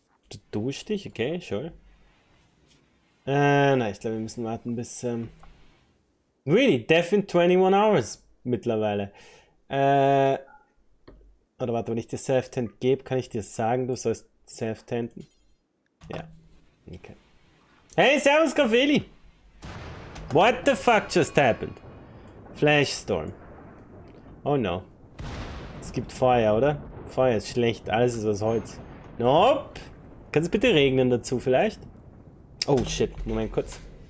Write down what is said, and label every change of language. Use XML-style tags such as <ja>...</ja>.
<de>Du duschst dich? Okay, schon. Nein, ich glaube, wir müssen warten, bis.</de> <en>Really? Death in 21 hours</en> <de>mittlerweile. Oder warte, wenn ich dir Self-Tent gebe, kann ich dir sagen, du sollst Self-Tenten? Ja. Okay. Hey, servus, Kaffeeli!</de> <en>What the fuck just happened?</en> <de>Flashstorm.</de> <en>Oh no.</en> <de>Es gibt Feuer, oder? Feuer ist schlecht, alles ist aus Holz. Nope! Kann es bitte regnen dazu vielleicht?</de> <en>Oh shit,</en> <de>Moment kurz.</de>